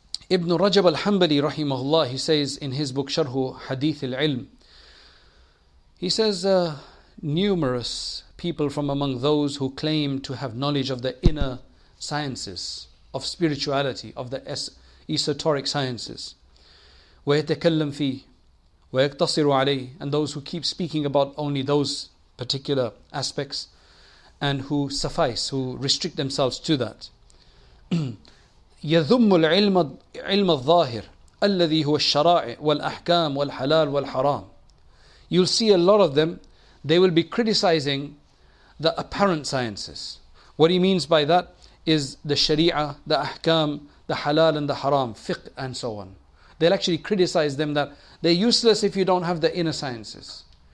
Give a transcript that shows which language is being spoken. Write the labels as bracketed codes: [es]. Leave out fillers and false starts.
[en] Ibn Rajab al-Hanbali, rahimahullah, he says in his book, Sharhu Hadith al-Ilm, he says, numerous people from among those who claim to have knowledge of the inner sciences, of spirituality, of the esoteric sciences, [ar] ويتكلم فيه ويقتصر عليه, [en] and those who keep speaking about only those particular aspects and who suffice, who restrict themselves to that. [ar] يذم العلم الظاهر الذي هو الشرائع والأحكام والحلال والحرام. [en] You'll see a lot of them, they will be criticizing the apparent sciences. What he means by that is the sharia, the ahkam, the halal and the haram, fiqh and so on. They'll actually criticize them that they're useless if you don't have the inner sciences.